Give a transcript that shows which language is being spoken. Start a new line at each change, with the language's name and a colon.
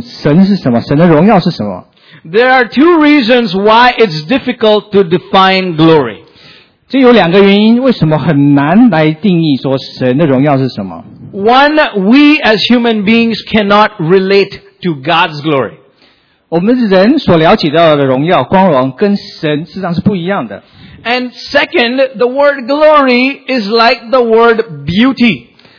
Chinese: 所以我们回到基本面，让神根据神的话语来告诉我们神是什么，神的荣耀是什么。
English: There are two reasons why it's difficult to define glory.
Chinese: 这有两个原因，为什么很难来定义说神的荣耀是什么？
English: One, we as human beings cannot relate to God's glory.
Chinese: 我们人所了解到的荣耀、光荣跟神实际上是不一样的。
English: And second, the word glory is like the word beauty.